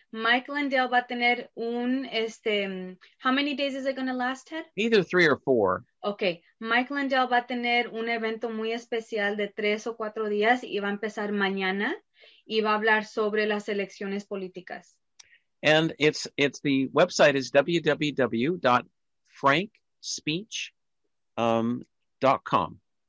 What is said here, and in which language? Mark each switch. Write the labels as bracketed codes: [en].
[es] Mike Lindell va a tener un, [en] how many days is it going to last, Ted? Either three or four. Okay. [es] Mike Lindell va a tener un evento muy especial de tres o cuatro días y va a empezar mañana y va a hablar sobre las elecciones políticas. [en] And it's the website is www.frankspeech.com.